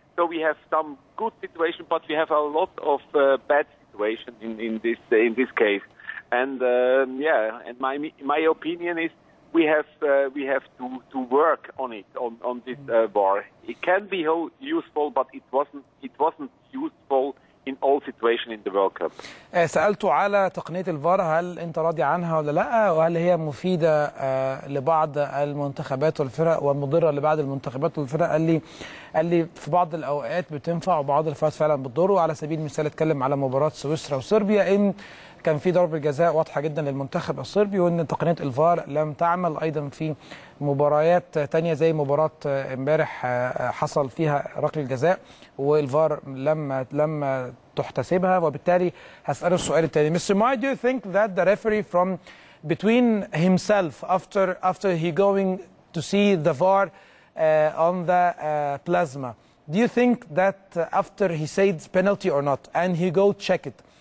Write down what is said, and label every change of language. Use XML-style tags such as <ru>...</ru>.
<en>So we have some good situation, but we have a lot of bad situation in this case. And my opinion is we have to work on it on this VAR. It can be useful, but it wasn't useful in all situation in the World Cup.</en> <ar>سألته على تقنية الفار، هل أنت راضي عنها ولا لا، وهل هي مفيدة لبعض المنتخبات والفرق ومضرة لبعض المنتخبات والفرق. قال لي في بعض الأوقات بتنفع وبعض الأوقات فعلا بتضر. وعلى سبيل المثال اتكلم على مباراة سويسرا وصربيا، إن كان في ضرب الجزاء واضحة جدا للمنتخب الصربي، وإن تقنية الفار لم تعمل أيضا في مباريات تانية زي مباراة امبارح حصل فيها ركل الجزاء والفار لم تحتسبها. وبالتالي هسأل السؤال التاني. Mr.</ar> <en>Meyer, do you think that the referee from between himself after he going to see the VAR on the plasma, do you think that after he said penalty or not and he go check it?</en>